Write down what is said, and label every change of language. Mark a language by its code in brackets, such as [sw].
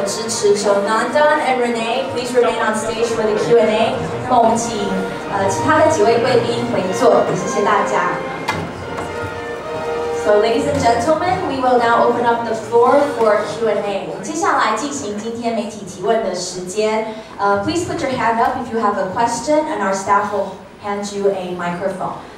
[en] So, Nandan and Renee, please remain on stage for the Q&A. [zh] 那我们请其他的几位贵宾回座，谢谢大家。 [en] So, ladies and gentlemen, we will now open up the floor for Q&A. [zh] 接下来进行今天媒体提问的时间。 [en] Please put your hand up if you have a question, and our staff will hand you a microphone.